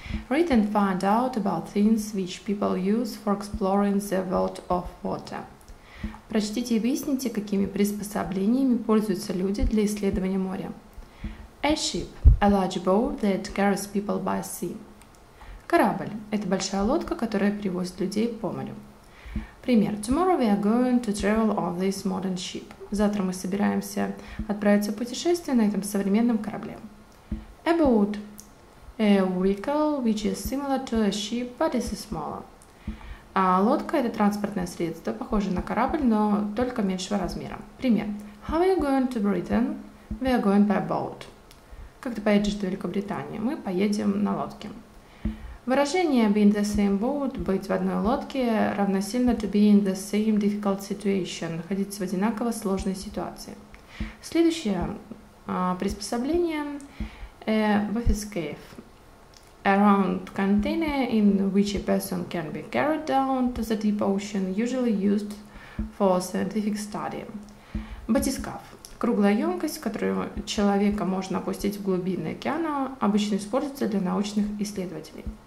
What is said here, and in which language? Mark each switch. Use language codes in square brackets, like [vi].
[en] Read and find out about things which people use for exploring the world of water. [ru] Прочтите и выясните, какими приспособлениями пользуются люди для исследования моря. [en] A ship – a large boat that carries people by sea. [ru] Корабль – это большая лодка, которая привозит людей по морю. Пример. [en] Tomorrow we are going to travel on this modern ship. [ru] Завтра мы собираемся отправиться в путешествие на этом современном корабле. [en] A boat – a vehicle which is similar to a ship, but is smaller. [ru] А лодка – это транспортное средство, похожее на корабль, но только меньшего размера. Пример. [en] How are you going to Britain? We are going by boat. [ru] Как ты поедешь в Великобританию? Мы поедем на лодке. Выражение [en] be in the same boat, [ru] быть в одной лодке, равносильно [en] to be in the same difficult situation, [ru] находиться в одинаково сложной ситуации. Следующее приспособление – office cave. [en] A round container in which a person can be carried down to the deep ocean, usually used for scientific study. [ru] Батискаф – круглая емкость, которую человека можно опустить в глубины океана, обычно используется для научных исследователей.